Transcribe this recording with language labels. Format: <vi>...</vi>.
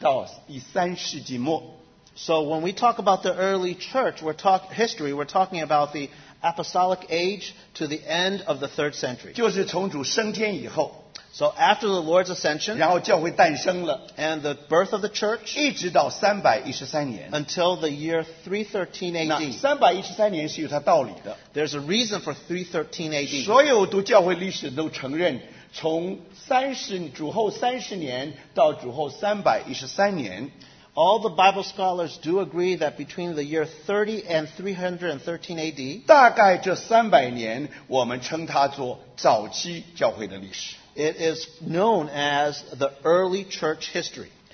<zh>我们特别讲到这里的早期教会是指着从使徒时代一直到第三世纪末。So</zh> <en>when we talk about the early church, we're talking about the apostolic age to the end of the third century.</en> <zh>就是从主升天以后。</zh> <en>So after the Lord's ascension,</en> <zh>然后教会诞生了,</zh> <en>and the birth of the church,</en> <zh>一直到313年,</zh> <en>until the year 313 AD. There's a reason for 313 AD.</en> <zh>所有读教会历史都承认, 从主后30年到主后313年,</zh> <en>all the Bible scholars do agree that between the year 30 and 313 AD,</en> <zh>大概这300年, 我们称它做早期教会的历史。</zh> <en>It is known as the early church history.</en>